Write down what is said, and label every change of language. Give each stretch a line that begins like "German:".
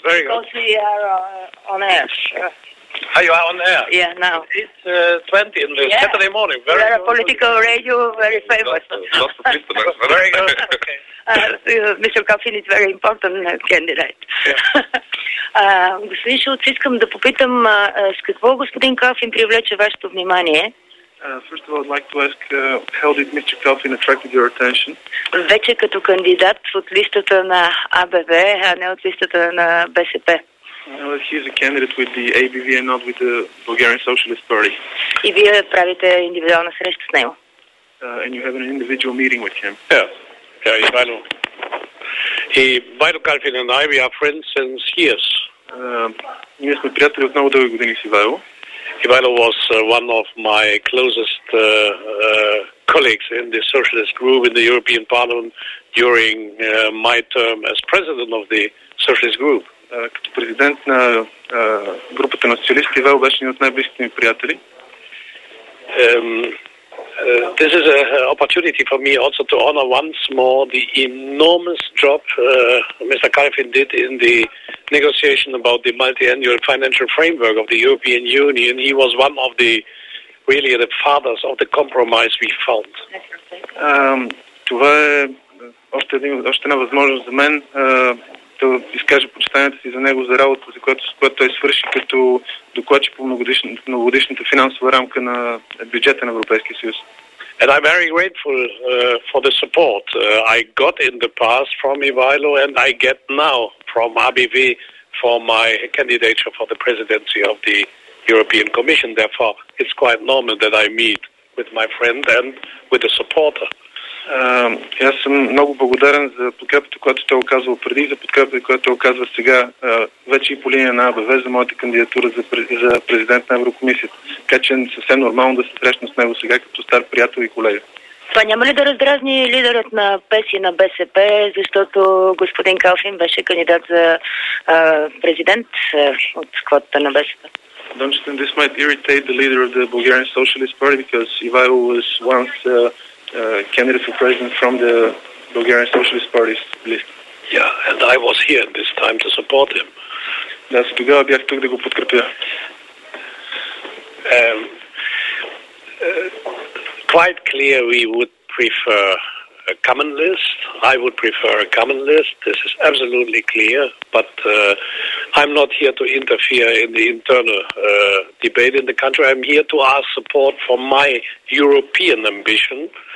English: Very good. Because we are on air. Are you on air? Yeah, now. It's 20 in the Saturday morning. Very we are a political radio, very famous. Lots of listeners. Very good. Okay. Mr. Calfin is very important candidate. Yeah.
Bulgarian: Господин Шулц, искам да попитам с какво господин Калфин привлече вашето внимание?
English: First of all, I'd like to ask, how did Mr. Calfin attract your attention?
Bulgarian: Вече като кандидат от листата на АБВ, а не от листата на БСП.
English: He is a candidate with the ABV and not with the Bulgarian Socialist Party.
Bulgarian: И вие правите индивидуална среща с него.
English: And you have an individual meeting with him. Yeah, Ivano. Ivano Calfin and I, we are friends since years.
Bulgarian: Ние сме приятели от много дълги години с Ивайло.
English: Ivano was one of my closest colleagues in the socialist group in the European Parliament during my term as president of the socialist group.
Bulgarian: Като президент на групата на социалисти, Ивайло беше един от най-близките ми приятели.
English: This is an opportunity for me also to honor once more the enormous job Mr. Calfin did in the negotiation about the multi-annual financial framework of the European Union. He was one of the really the fathers of the compromise we found.
Bulgarian: Това е още една възможност за мен да изкажа почитанието си за него, за работа, за която той свърши като докладчик по многогодишната финансова рамка на бюджета на Европейския съюз.
English: And I'm very grateful for the support I got in the past from Ivailo and I get now from ABV for my candidature for the presidency of the European Commission. Therefore, it's quite normal that I meet with my friend and with a supporter.
Bulgarian: Аз съм много благодарен за подкрепата, която той оказвал преди, за подкрепата, която той оказва сега, вече и по линия на АБВ, за моята кандидатура за президент на Еврокомисията. Така че е съвсем нормално да се срещна с него сега като стар приятел и колега. Това няма ли да раздразни лидерът на ПЕС и на БСП, защото господин Калфин беше кандидат за президент от квотата на БСП?
English: Don't you think this might irritate the leader of the Bulgarian Socialist Party, because Ivailo was once candidate for president from the Bulgarian Socialist Party's list? Yeah, and I was here this time to support him.
Bulgarian: Аз тогава бях тук да го подкрепя.
English: Quite clear, we would prefer a common list. I would prefer a common list. This is absolutely clear. But I'm not here to interfere in the internal debate in the country. I'm here to ask support for my European ambition.